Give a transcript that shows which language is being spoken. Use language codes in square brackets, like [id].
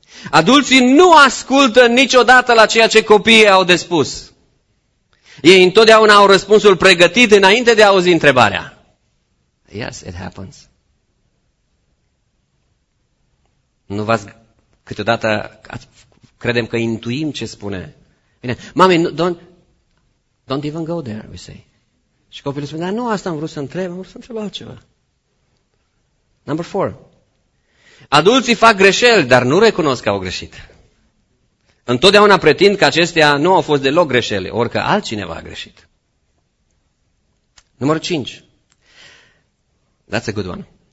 [ro] Adulții nu ascultă niciodată la ceea ce copiii au de spus. Ei întotdeauna au răspunsul pregătit înainte de a auzi întrebarea. [en] Yes, it happens. [ro] Nu v-ați câteodată, credem că intuim ce spune. [en] Bine, mami, don't even go there, we say. [ro] Și copilul spune, dar nu, asta am vrut să întreb altceva. Number 4. Adulții fac greșeli, dar nu recunosc că au greșit. Întotdeauna pretind că acestea nu au fost deloc greșeli, orică altcineva a greșit. Number 5. That's a good one.